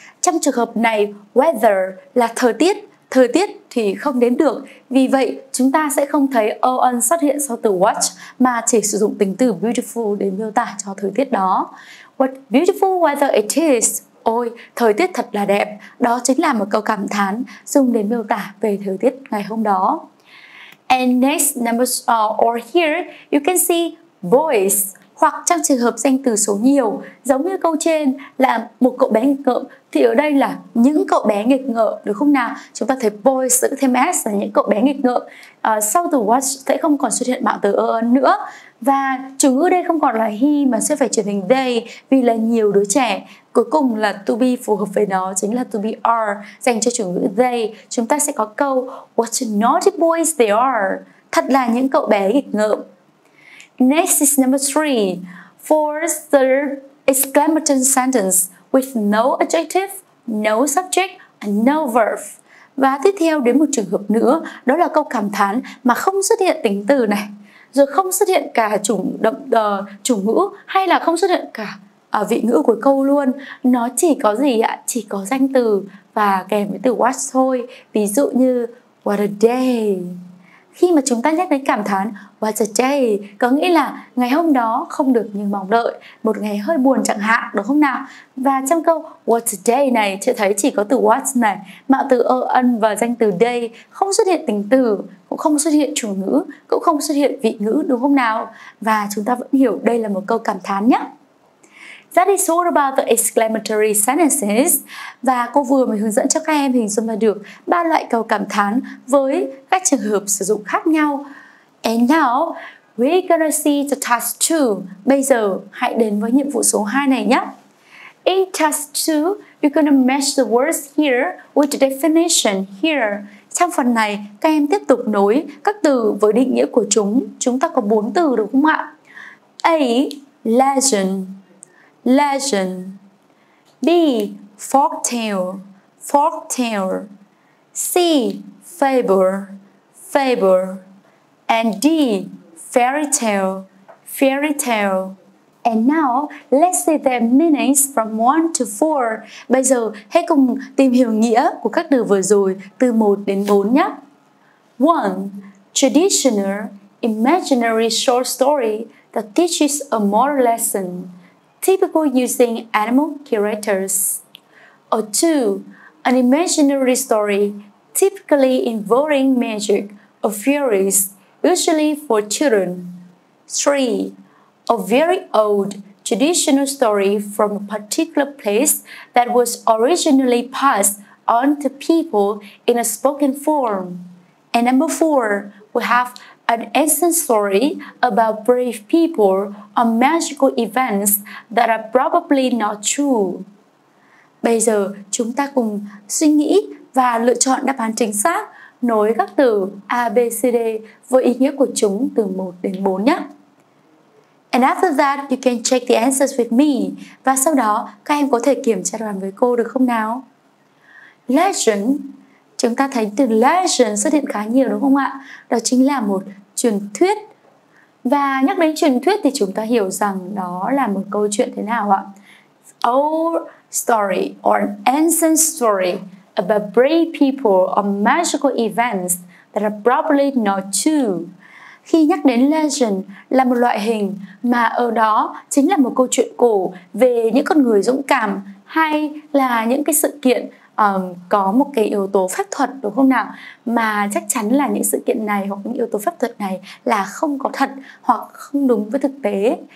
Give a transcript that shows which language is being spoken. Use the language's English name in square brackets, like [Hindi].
[Vietnamese] Trong trường hợp này, weather là thời tiết. Thời tiết thì không đếm được, vì vậy chúng ta sẽ không thấy an xuất hiện sau từ watch mà chỉ sử dụng tính từ beautiful để miêu tả cho thời tiết đó. [English] What beautiful weather it is. [Vietnamese] Ôi, thời tiết thật là đẹp. Đó chính là một câu cảm thán dùng để miêu tả về thời tiết ngày hôm đó. [English] And next numbers or here, you can see boys. [Vietnamese] Hoặc trong trường hợp danh từ số nhiều, giống như câu trên là một cậu bé nghịch ngợm, thì ở đây là những cậu bé nghịch ngợm, được không nào? Chúng ta thấy boys giữ thêm s là những cậu bé nghịch ngợm. Sau từ watch sẽ không còn xuất hiện mạo từ an nữa. Và chủ ngữ đây không còn là he mà sẽ phải chuyển thành they vì là nhiều đứa trẻ. Cuối cùng là to be phù hợp với nó chính là to be are dành cho chủ ngữ they. Chúng ta sẽ có câu [English] what a naughty boys they are. [Vietnamese] Thật là những cậu bé nghịch ngợm. [English] Next is number 3. For the exclamatory sentence with no adjective, no subject, and no verb. [Vietnamese] Và tiếp theo đến một trường hợp nữa, đó là câu cảm thán mà không xuất hiện tính từ này, rồi không xuất hiện cả chủ ngữ hay là không xuất hiện cả vị ngữ của câu luôn. Nó chỉ có gì ạ? Chỉ có danh từ và kèm với từ what thôi. Ví dụ như [English] what a day. [Vietnamese] Khi mà chúng ta nhắc đến cảm thán what a day có nghĩa là ngày hôm đó không được như mong đợi, một ngày hơi buồn chẳng hạn, đúng không nào? Và trong câu [English] what a day [Vietnamese] này sẽ thấy chỉ có từ what này, mạo từ an và danh từ day, không xuất hiện tính từ, cũng không xuất hiện chủ ngữ, cũng không xuất hiện vị ngữ, đúng không nào? Và chúng ta vẫn hiểu đây là một câu cảm thán nhé. [English] That is all about the exclamatory sentences. [Vietnamese] Và cô vừa mới hướng dẫn cho các em hình dung ra được ba loại câu cảm thán với các trường hợp sử dụng khác nhau. [English] And now, we're gonna see the task 2. [Vietnamese] Bây giờ, hãy đến với nhiệm vụ số 2 này nhé. [English] In task 2, you're gonna match the words here with the definition here. [Vietnamese] Trong phần này, các em tiếp tục nối các từ với định nghĩa của chúng. Chúng ta có 4 từ đúng không ạ? [English] A. Legend. Legend. B. Folktale. Folktale. C. Fable. Fable. And D. Fairy tale. Fairy tale. And now, let's see their meanings from 1 to 4. [Vietnamese] Bây giờ, hãy cùng tìm hiểu nghĩa của các từ vừa rồi, từ 1 đến 4 nhé. [English] 1. Traditional imaginary short story that teaches a moral lesson, typically using animal characters. Or 2. An imaginary story typically involving magic or fairies, usually for children. 3. A very old traditional story from a particular place that was originally passed on to people in a spoken form. And number 4, we have an ancient story about brave people or magical events that are probably not true. [Vietnamese] Bây giờ chúng ta cùng suy nghĩ và lựa chọn đáp án chính xác nối các từ A, B, C, D với ý nghĩa của chúng từ 1 đến 4 nhé. [English] And after that, you can check the answers with me. [Vietnamese] Và sau đó, các em có thể kiểm tra đoán với cô được không nào? Legend. Chúng ta thấy từ legend xuất hiện khá nhiều đúng không ạ? Đó chính là một truyền thuyết. Và nhắc đến truyền thuyết thì chúng ta hiểu rằng đó là một câu chuyện thế nào ạ? [English] Old story or an ancient story about brave people or magical events that are probably not true. [Vietnamese] Khi nhắc đến legend là một loại hình mà ở đó chính là một câu chuyện cổ về những con người dũng cảm hay là những cái sự kiện có một cái yếu tố phép thuật đúng không nào? Mà chắc chắn là những sự kiện này hoặc những yếu tố phép thuật này là không có thật hoặc không đúng với thực tế.